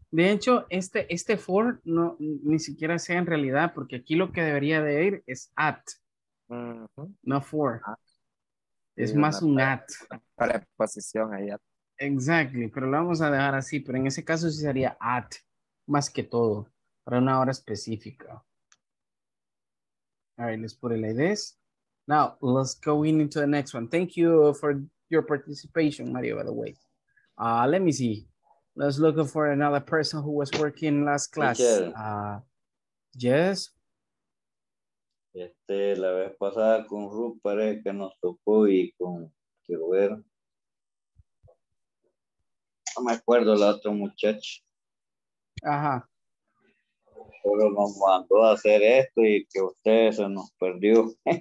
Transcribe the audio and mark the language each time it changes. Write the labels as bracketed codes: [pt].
[es] De hecho, este for no, ni siquiera sea en realidad, porque aquí lo que debería de ir es at, uh-huh. No for. Es más un at. Preposición ahí. [en] Exactly, [es] pero lo vamos a dejar así, pero en ese caso sí sería at, más que todo, para una hora específica. [en] All right, let's put it like this. Now, let's go in into the next one. Thank you for your participation, Mario, by the way. Let me see. Let's look for another person who was working last class. Yes? [es] La vez pasada con Ruth parece que nos tocó y con... Quiero ver. No me acuerdo la otra muchacha. Ajá. Pero nos mandó a hacer esto y que ustedes se nos perdió.